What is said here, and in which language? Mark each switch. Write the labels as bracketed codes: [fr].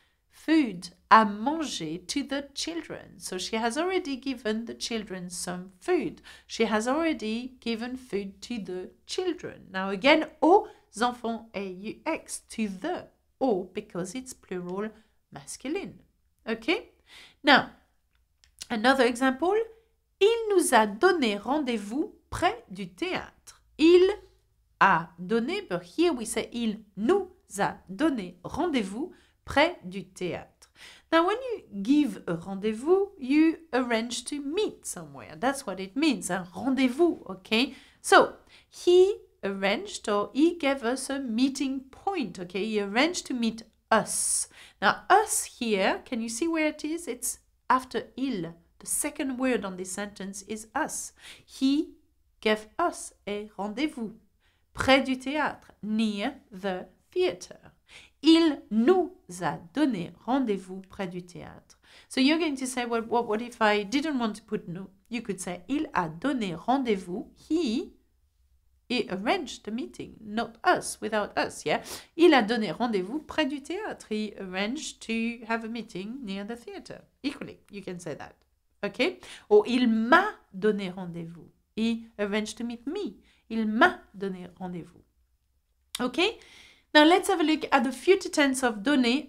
[en] Food [fr] à manger [en] to the children. So she has already given the children some food. She has already given food to the children. Now again, aux enfants, A-U-X, to the, or because it's plural masculine, okay? Now, another example, [fr] il nous a donné rendez-vous près du théâtre. Il a donné, [en] but here we say [fr] il nous a donné rendez-vous près du théâtre. [en] Now, when you give a rendez-vous, you arrange to meet somewhere. That's what it means, [fr] un rendez-vous, [en] okay? So, he arranged or he gave us a meeting point, okay? He arranged to meet us. Now, us here, can you see where it is? It's after il. The second word on this sentence is us. He gave us a rendez-vous [fr] près du théâtre, [en] near the theatre. [fr] Il nous a donné rendez-vous près du théâtre. [en] So you're going to say, well, what if I didn't want to put nous? You could say, [fr] il a donné rendez-vous, [en] he arranged the meeting, not us, without us, yeah? [fr] Il a donné rendez-vous près du théâtre. [en] He arranged to have a meeting near the theatre. Equally, you can say that, okay? Or [fr] il m'a donné rendez-vous. [en] He arranged to meet me. [fr] Il m'a donné rendez-vous, [en] okay? Now, let's have a look at the future tense of donner.